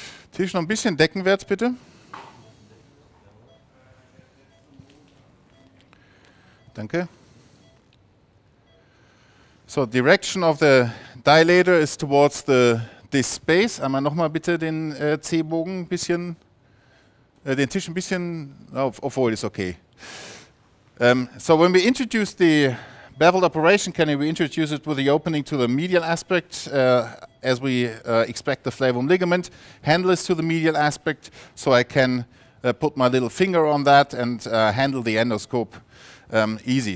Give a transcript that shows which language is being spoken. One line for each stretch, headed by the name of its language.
German: Tisch noch ein bisschen deckenwärts bitte. Danke.
English: So, direction of the dilator is towards the disc space.
German: Einmal nochmal bitte den C-Bogen ein bisschen, den Tisch ein bisschen, obwohl ist okay.
English: So, when we introduce the beveled operation canny, we introduce it with the opening to the medial aspect as we expect the flavum ligament. Handle is to the medial aspect, so I can put my little finger on that and handle the endoscope. Easy.